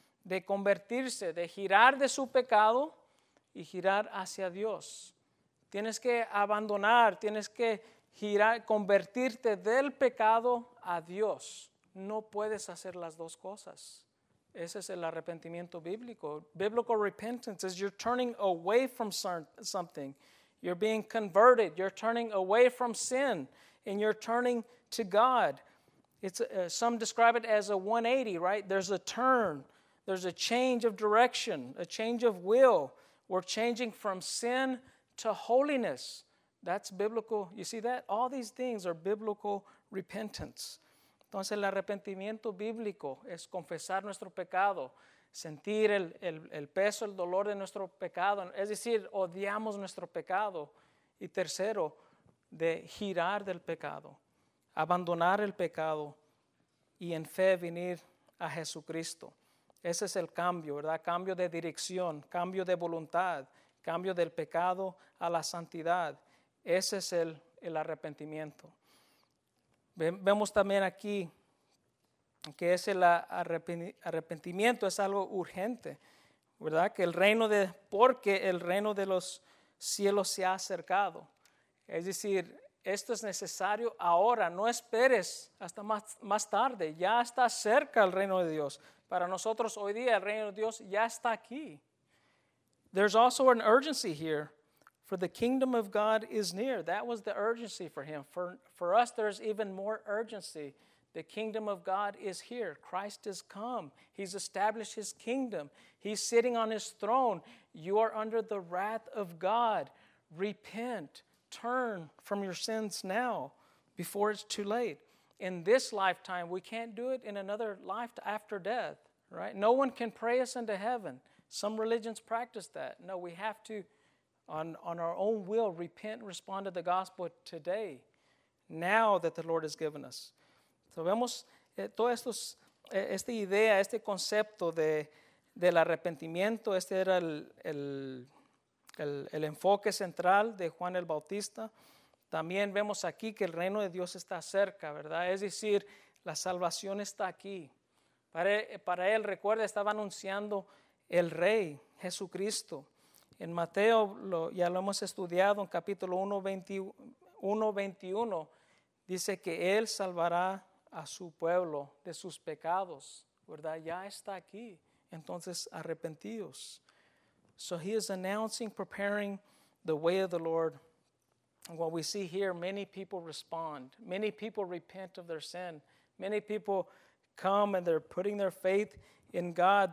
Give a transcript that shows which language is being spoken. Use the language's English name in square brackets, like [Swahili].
[Spanish] De convertirse, de girar de su pecado y girar hacia Dios. Tienes que abandonar, tienes que girar, convertirte del pecado a Dios. No puedes hacer las dos cosas. Ese es el arrepentimiento bíblico. [English] Biblical repentance is you're turning away from something. You're being converted. You're turning away from sin. And you're turning to God. Some describe it as a 180, right? There's a turn. There's a change of direction, a change of will. We're changing from sin to holiness. That's biblical. You see that? All these things are biblical repentance. Entonces, el arrepentimiento bíblico es confesar nuestro pecado, sentir el peso, el dolor de nuestro pecado. Es decir, odiamos nuestro pecado. Y tercero, de girar del pecado, abandonar el pecado y en fe venir a Jesucristo. Ese es el cambio, ¿verdad? Cambio de dirección, cambio de voluntad, cambio del pecado a la santidad. Ese es el arrepentimiento. Vemos también aquí que es el arrepentimiento es algo urgente, ¿verdad? Porque el reino de los cielos se ha acercado. Es decir, esto es necesario ahora, no esperes hasta más tarde, ya está cerca el reino de Dios. Para nosotros hoy día el reino de Dios ya está aquí. There's also an urgency here, for the kingdom of God is near. That was the urgency for him. For us, there's even more urgency. The kingdom of God is here. Christ has come. He's established his kingdom. He's sitting on his throne. You are under the wrath of God. Repent. Turn from your sins now before it's too late. In this lifetime, we can't do it in another life after death, right? No one can pray us into heaven. Some religions practice that. No, we have to, on our own will, repent and respond to the gospel today, now that the Lord has given us. [Spanish] So vemos todo esto, esta idea, este concepto del arrepentimiento, este era el enfoque central de Juan el Bautista. También vemos aquí que el reino de Dios está cerca, ¿verdad? Es decir, la salvación está aquí. Para él, recuerda, estaba anunciando el Rey, Jesucristo. En Mateo, ya lo hemos estudiado, en capítulo 1:21, dice que él salvará a su pueblo de sus pecados, ¿verdad? Ya está aquí. Entonces, arrepentidos. [English] So he is announcing, preparing the way of the Lord. And what we see here, many people respond. Many people repent of their sin. Many people come and they're putting their faith in God.